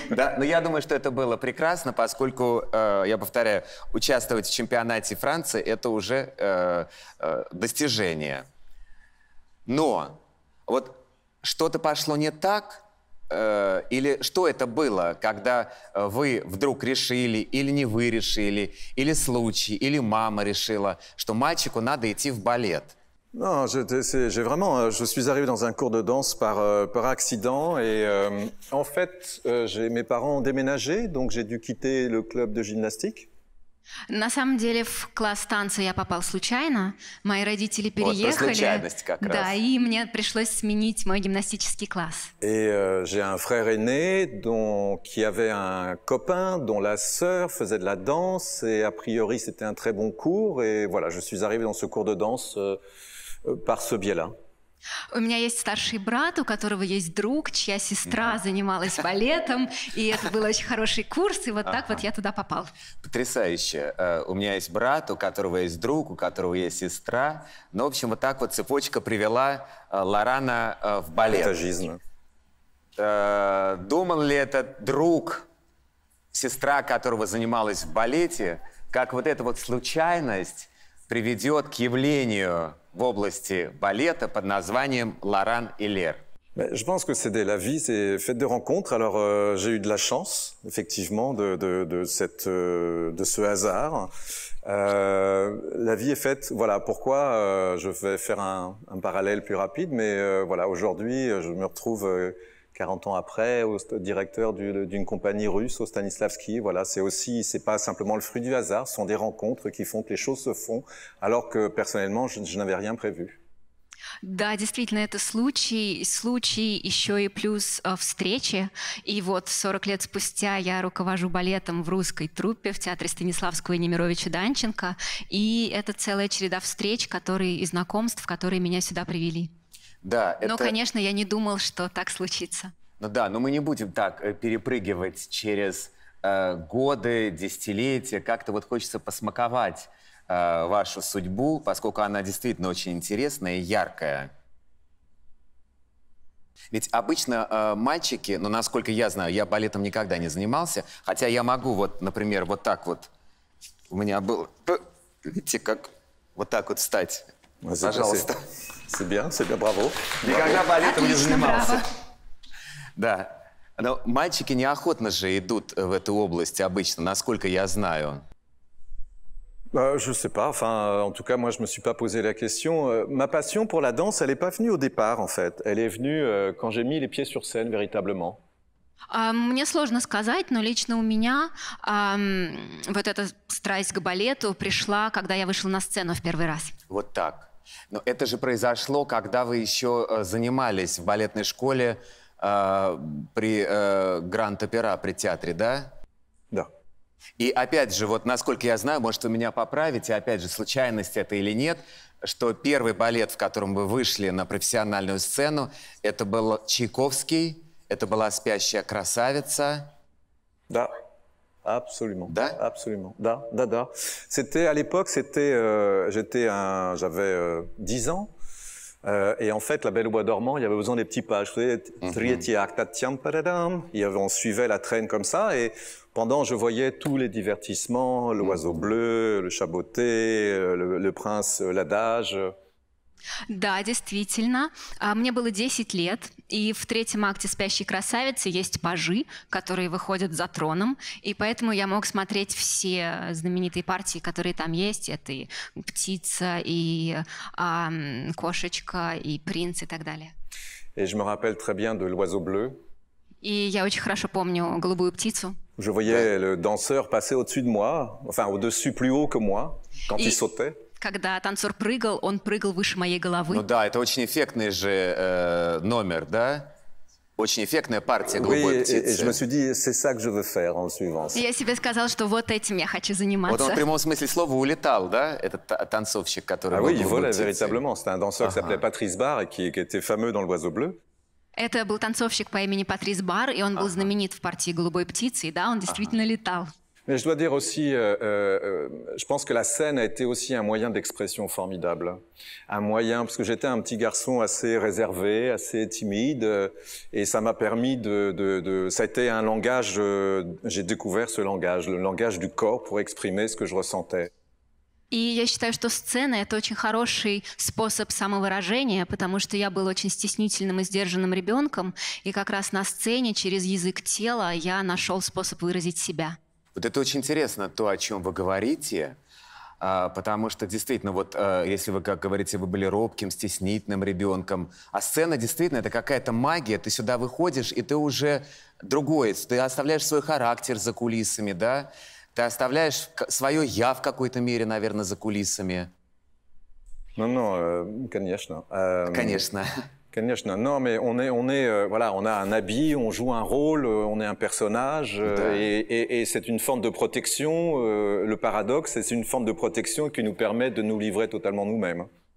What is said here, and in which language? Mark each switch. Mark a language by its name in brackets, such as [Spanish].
[Russian] Да, но я думаю, что это было прекрасно, поскольку, я повторяю, участвовать в чемпионате Франции – это уже достижение. Но вот что-то пошло не так? Или что это было, когда вы вдруг решили, или не вы решили, или случай, или мама решила, что мальчику надо идти в балет? [French] Non, je suis arrivé dans un cours de danse par accident et en fait, mes parents ont déménagé, donc j'ai dû quitter le club de gymnastique. [Russian] На самом деле, в класс танца я попал случайно. Мои родители переехали. Вот, как да, раз. И мне пришлось сменить мой гимнастический класс. [French] Et j'ai un frère aîné qui avait un copain dont la sœur faisait de la danse et a priori c'était un très bon cours et voilà, je suis arrivé dans ce cours de danse. Par ce biais-là. [Russian] У меня есть старший брат, у которого есть друг, чья сестра занималась балетом, и это был очень хороший курс, и вот так вот я туда попал. Потрясающе. У меня есть брат, у которого есть друг, у которого есть сестра. Ну, в общем, вот так вот цепочка привела Лорана в балет. Это жизнь. Думал ли этот друг, сестра, которого занималась в балете, как вот эта вот случайность приведет к явлению в области балета под названием Лоран и Лер. [French] Je pense que c'est de la vie, c'est fait de rencontres. Alors j'ai eu de la chance, effectivement, de ce hasard. La vie est faite. Voilà pourquoi je vais faire un parallèle plus rapide. Mais voilà, aujourd'hui, je me retrouve 40 ans après, directeur d'une compagnie russe au Stanislavski. Voilà, c'est aussi, c'est pas simplement le fruit du hasard, ce sont des rencontres qui font que les choses se font, alors que personnellement, je n'avais rien prévu. [Russian] Да, действительно, это случай еще и плюс встречи. И вот 40 лет спустя я руковожу балетом в русской труппе в театре Станиславского и Немировича Данченко. И это целая череда встреч, которые, и знакомств, которые меня сюда привели. Да, но, конечно, я не думал, что так случится. Ну да, но мы не будем так перепрыгивать через годы, десятилетия. Как-то вот хочется посмаковать вашу судьбу, поскольку она действительно очень интересная и яркая. Ведь обычно мальчики, ну, насколько я знаю, я балетом никогда не занимался, хотя я могу вот, например, вот так вот, у меня был, видите, как вот так вот встать. Спасибо. Пожалуйста. Себя, браво. Никогда балетом не занимался. Да. Но мальчики неохотно же идут в эту область обычно, насколько я знаю. [French] Je ne sais pas. Enfin, en tout cas, moi, je ne me suis pas posé la question. Ma passion pour la danse, elle n'est pas venue au départ, en fait. Elle est venue quand j'ai mis les pieds sur scène, véritablement. [Russian] Мне сложно сказать, но лично у меня вот эта страсть к балету пришла, когда я вышла на сцену в первый раз. Вот так. Но это же произошло, когда вы еще занимались в балетной школе при Гранд-Опера, при театре, да? И опять же, вот насколько я знаю, может, вы меня поправите, опять же, случайность это или нет, что первый балет, в котором вы вышли на профессиональную сцену, это был Чайковский, это была «Спящая красавица». Да, абсолютно. Да? Абсолютно, да, да, да. [French] C'était, à l'époque, c'était, j'étais un, j'avais 10 ans, et en fait, la Belle au bois dormant, il y avait besoin des petits pages. On suivait la traîne comme ça, et pendant, je voyais tous les divertissements, l'oiseau bleu, le chaboté, le prince, l'adage. [Russian] Да, действительно. Мне было 10 лет, и в третьем акте «Спящей красавицы» есть пажи, которые выходят за троном, и поэтому я мог смотреть все знаменитые партии, которые там есть. Это и птица, и кошечка, и принц, и так далее. [French] Et je me rappelle très bien de l'oiseau bleu. [Russian] И я очень хорошо помню «Голубую птицу». [French] Je voyais le danseur passer au-dessus de moi, enfin au-dessus plus haut que moi, quand il sautait. [Russian] Когда танцор прыгал, он прыгал выше моей головы. Ну да, это очень эффектный же номер, да? Очень эффектная партия «Голубой птицы». Я себе сказал, что вот этим я хочу заниматься. Вот он в прямом смысле слова улетал, да, этот танцовщик, который был в «Голубой птице». Да, это был танцовщик, который назывался Патрис Барр, и который был [English] famous [Russian] в «Оазе Блю». Это был танцовщик по имени Патрис Барр, и он был знаменит в партии «Голубой птицы», и да, он действительно летал. [French] Mais je dois dire aussi, je pense que la scène a été aussi un moyen d'expression formidable. Un moyen, parce que j'étais un petit garçon assez réservé, assez timide, et ça m'a permis ça a été un langage, j'ai découvert ce langage, le langage du corps pour exprimer ce que je ressentais. [Russian] И я считаю, что сцена – это очень хороший способ самовыражения, потому что я был очень стеснительным и сдержанным ребенком, и как раз на сцене через язык тела я нашел способ выразить себя. Вот это очень интересно, то, о чем вы говорите, потому что действительно, вот если вы, как говорите, вы были робким, стеснительным ребенком, а сцена действительно – это какая-то магия, ты сюда выходишь, и ты уже другой, ты оставляешь свой характер за кулисами, да? Ты оставляешь свое «я» в какой-то мере, наверное, за кулисами. Ну, [English] no, [Russian] конечно. Конечно. Конечно, но мы, [French] voilà, on a un habit, on joue un rôle, on est un personnage, et c'est une forme de protection. Le paradoxe, c'est une forme de protection qui nous permet de nous livrer totalement nous-mêmes.